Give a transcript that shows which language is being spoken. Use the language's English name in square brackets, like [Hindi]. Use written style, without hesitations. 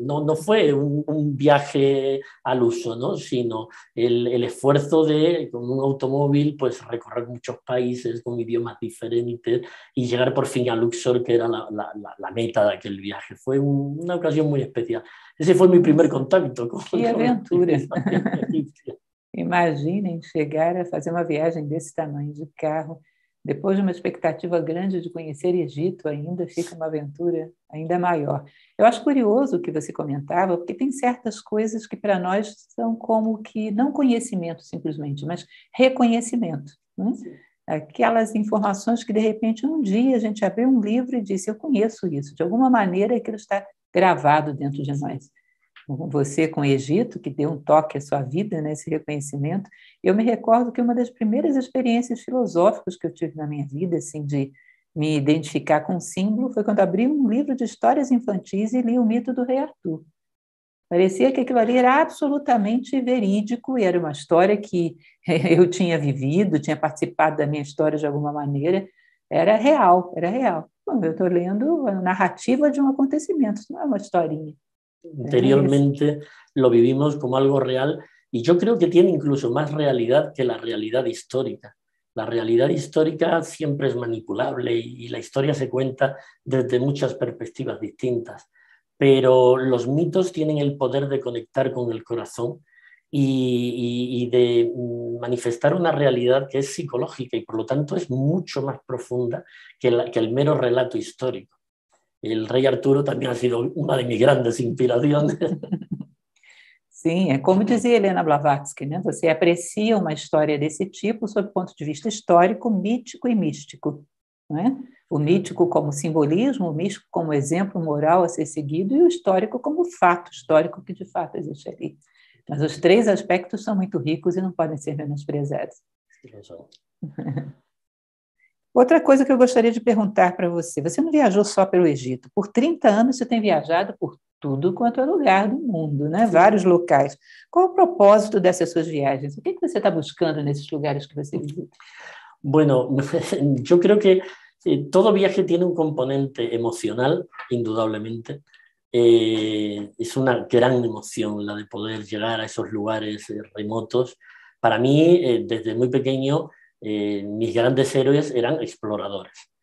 [Spanish] No fue un viaje al uso, ¿no? Sino el esfuerzo de, con un automóvil, pues recorrer muchos países con idiomas diferentes y llegar por fin a Luxor, que era la meta de aquel viaje. Fue una ocasión muy especial. Ese fue mi primer contacto Que con la aventura! civilización egipcia. [Portuguese] Imaginem chegar a fazer uma viagem desse tamanho de carro, depois de uma expectativa grande de conhecer Egito, ainda fica uma aventura ainda maior. Eu acho curioso o que você comentava, porque tem certas coisas que para nós são como que não conhecimento simplesmente, mas reconhecimento, né? aquelas informações que de repente um dia a gente abriu um livro e disse: eu conheço isso, de alguma maneira aquilo está gravado dentro de nós. Você com o Egito, que deu um toque à sua vida, né, esse reconhecimento. Eu me recordo que uma das primeiras experiências filosóficas que eu tive na minha vida, assim, de me identificar com o símbolo, foi quando abri um livro de histórias infantis e li o mito do Rei Arthur. Parecia que aquilo ali era absolutamente verídico e era uma história que eu tinha vivido, tinha participado da minha história de alguma maneira. Era real, era real. Bom, eu estou lendo a narrativa de um acontecimento, não é uma historinha. [Spanish] Interiormente lo vivimos como algo real y yo creo que tiene incluso más realidad que la realidad histórica. La realidad histórica siempre es manipulable y la historia se cuenta desde muchas perspectivas distintas, pero los mitos tienen el poder de conectar con el corazón y de manifestar una realidad que es psicológica y por lo tanto es mucho más profunda que el mero relato histórico. El rey Arturo también ha sido una de mis grandes inspiraciones. [Portuguese] Sim, é como dizia Helena Blavatsky, né? Você aprecia uma história desse tipo sob o ponto de vista histórico, mítico e místico, né? O mítico como simbolismo, o místico como exemplo moral a ser seguido e o histórico como fato histórico que de fato existe ali. Mas os três aspectos são muito ricos e não podem ser menosprezados. Outra coisa que eu gostaria de perguntar para você: você não viajou só pelo Egito, por 30 anos você tem viajado por tudo quanto é lugar do mundo, né? Vários locais. Qual o propósito dessas suas viagens? O que você está buscando nesses lugares que você visita? [Spanish] Bueno, yo creo que todo viaje tiene un componente emocional, indudablemente. Es una gran emoción la de poder llegar a esos lugares remotos. Para mí, desde muy pequeño, mis grandes héroes eran exploradores.